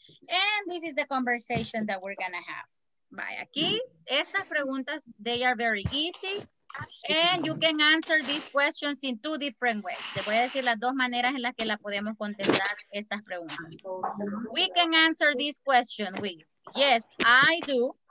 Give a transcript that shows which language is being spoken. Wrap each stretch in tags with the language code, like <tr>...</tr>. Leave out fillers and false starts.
<en>And this is the conversation that we're gonna have. Bye.</en> <es>Aquí, estas preguntas,</es> <en>they are very easy. And you can answer these questions in two different ways.</en> <es>Te voy a decir las dos maneras en las que la podemos contestar estas preguntas.</es> <en>We can answer this question with yes, I do.</en>